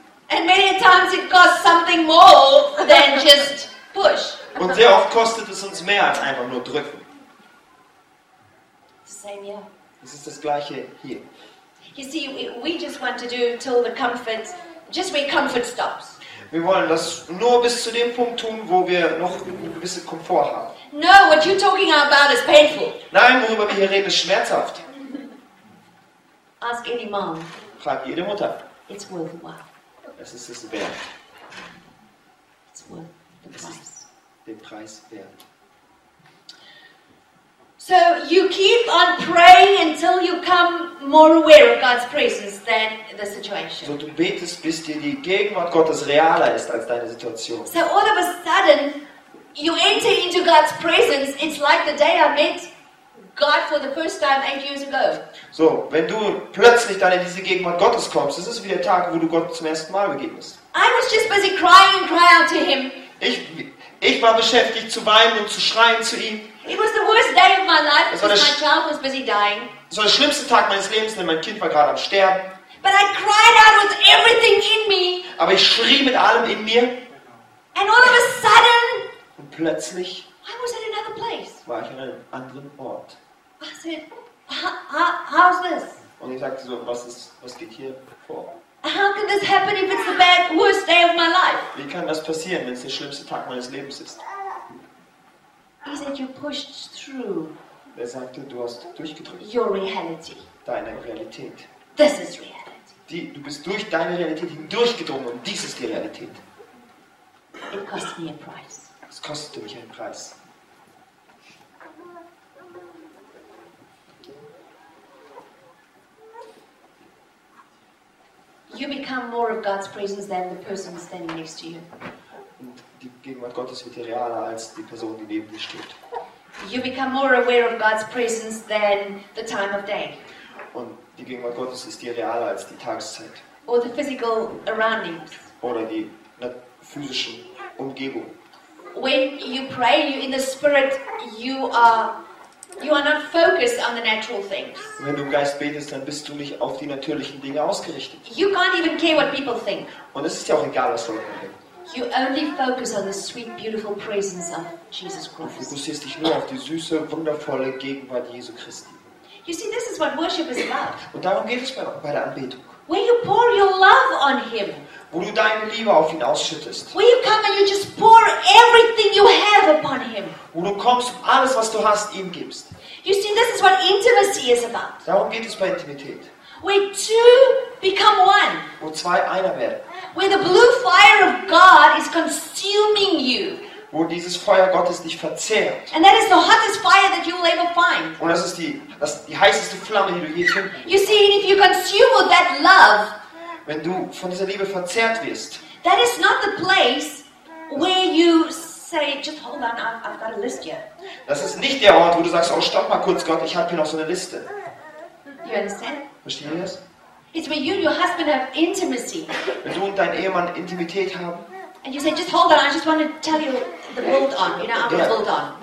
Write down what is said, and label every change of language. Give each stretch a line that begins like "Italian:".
English: And many times it costs something more than just push.
German: Und sehr oft kostet es uns mehr als einfach nur drücken.
English: Same here.
German: Es ist das gleiche hier.
English: You see, we just want to do till the comfort, just where comfort stops.
German: Wir wollen das nur bis zu dem Punkt tun, wo wir noch einen gewissen Komfort haben.
English: No, what you're talking about is painful.
German: Nein, worüber wir hier reden, ist schmerzhaft.
English: Ask any mom.
German: Frag jede Mutter.
English: It's worthwhile.
German: Es ist es wert.
English: It's worth the price.
German: Es ist den Preis wert.
English: So you keep on praying until you come more aware of God's presence than the situation.
German: So du betest, bis dir die Gegenwart Gottes realer ist als deine Situation.
English: So all of a sudden you enter into God's presence. It's like the day I met God for the first time 8 years ago.
German: So, wenn du plötzlich dann in diese Gegenwart Gottes kommst, das ist wie der Tag, wo du Gott zum ersten Mal begegnest.
English: I was just busy crying and crying out to him.
German: Ich war beschäftigt zu weinen und zu schreien zu ihm.
English: It was the worst day of my life because my child was busy dying.
German: Es war der schlimmste Tag meines Lebens, denn mein Kind war gerade am Sterben.
English: But I cried out with everything in me.
German: Aber ich schrie mit allem in mir.
English: And all of a sudden,
German: und plötzlich,
English: I was at another place.
German: War ich an einem anderen Ort.
English: I said, how's this?
German: Und ich sagte so, was geht hier vor?
English: How can this happen if it's the bad, worst day of my life?
German: Wie kann das passieren, wenn es der schlimmste Tag meines Lebens ist?
English: He said, you pushed through.
German: Er sagte, du hast durchgedrückt.
English: Your reality.
German: Deine Realität.
English: This is reality.
German: Die, du bist durch deine Realität hindurchgedrungen und dies ist die Realität.
English: It cost me a price.
German: Es kostete mich einen Preis.
English: You become more of God's presence than the person standing next to you.
German: Und die Gegenwart Gottes wird realer als die Person, die neben dir steht.
English: You become more aware of God's presence than the time of day.
German: Und die Gegenwart Gottes ist dir realer als die Tageszeit.
English: Or the physical surroundings.
German: Oder die physische Umgebung.
English: When you pray, you in the spirit, you are not focused on the natural things.
German: Wenn du im Geist betest, dann bist du nicht auf die natürlichen Dinge ausgerichtet.
English: You can't even care what people think.
German: Und es ist ja auch egal, was Leute denken.
English: You only focus on the sweet, beautiful presence of Jesus Christ.
German: Du fokussierst dich nur auf die süße, wundervolle Gegenwart Jesu Christi.
English: You see, this is what worship is about.
German: Und darum geht es bei der Anbetung.
English: When you pour your love on him.
German: Wo du deine Liebe auf ihn ausschüttest.
English: When you come and you just pour everything you have upon him.
German: Wo du kommst, alles was du hast, ihm gibst.
English: You see, this is what intimacy is about.
German: Darum geht es bei Intimität.
English: Where two become one.
German: Wo zwei einer werden.
English: Where the blue fire of God is consuming you.
German: Wo dieses Feuer Gottes dich verzehrt.
English: And that is the hottest fire that you will ever find.
German: Und das ist die heißeste Flamme, die du je findest.
English: You see, if you consume with that love.
German: Wenn du von dieser Liebe verzehrt wirst.
English: That is not the place where you say, just hold on, I've got a list here.
German: Das ist nicht der Ort, wo du sagst, oh stopp mal kurz Gott, ich habe hier noch so eine Liste.
English: You understand?
German: Verstehst du das?
English: It's where you and your husband have intimacy.
German: Wenn du und dein Ehemann Intimität haben.
English: And you say, just hold on, I just want to tell you the build on, you know, I'm going to build on.